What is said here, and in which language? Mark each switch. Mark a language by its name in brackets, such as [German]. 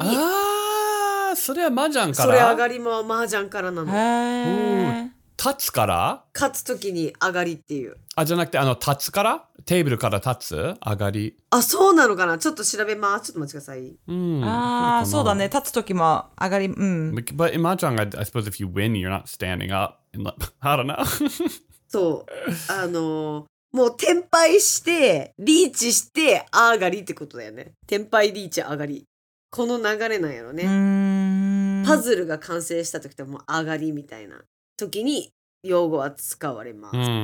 [Japanese] ああ、それはマージャンから。それ上がりもマージャンからなの。へえ。立つから。勝つ時に上がりっていう。あ、じゃなくて立つから、テーブルから立つ、上がり。あ、そうなのかな。ちょっと調べます。ちょっと待ちください。ああ、そうだね。立つ時も上がり、うん。 [English] But in マージャン、I suppose if you win, you're not standing up. I don't know. [Japanese] そう、もう転敗してリーチして上がりってことだよね。転敗リーチ上がり、この流れなんやろね。パズルが完成した時ってもう上がりみたいな時に用語は使われます。